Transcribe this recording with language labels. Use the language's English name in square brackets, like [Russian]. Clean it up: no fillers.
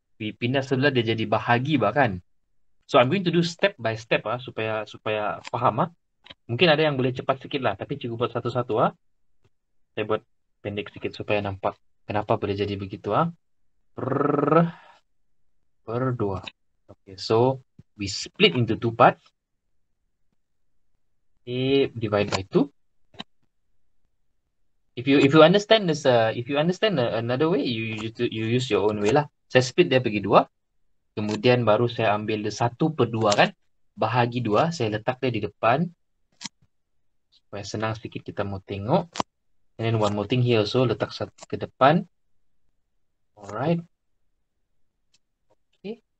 [Malay] We pindah sebelah dia jadi bahagi bahkan. [English] So I'm going to do step by step [Malay] ah supaya supaya faham ah. Mungkin ada yang boleh cepat sikit lah tapi cikgu buat satu-satu ah. Saya buat pendek sikit supaya nampak kenapa boleh jadi begitu ah. Per dua. [English] Okay, so we split into two parts. A divide by two. If you understand this if you understand another way, you use your own way lah. [Malay] Saya split dia bagi dua. Kemudian baru saya ambil dia satu per dua kan. Bahagi dua, saya letak dia di depan. Supaya senang sikit kita mau tengok. [English] And then one more thing here also, [Malay] letak satu ke depan. [English] Alright. Okay.